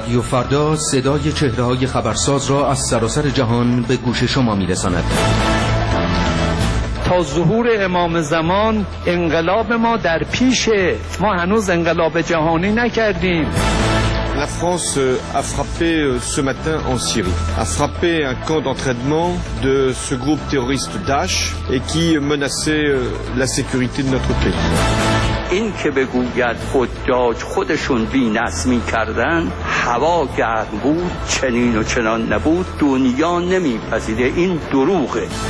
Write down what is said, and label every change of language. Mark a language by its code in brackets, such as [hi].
[fa] فردا صدای چهره های خبرساز را از سراسر جهان به گوش شما می رساند. تا ظهور امام زمان انقلاب ما در پیشه، ما هنوز انقلاب جهانی نکردیم. [fr] La France a frappé ce matin en Syrie, a frappé un camp d'entraînement de ce groupe terroriste Daesh et qui menaçait la sécurité de notre pays. [fa] این که بگوید حجاج خودشون بی نظمی کردن، هوا گرم بود، چنین و چنان نبود، دنیا نمی پذیره، این دروغه.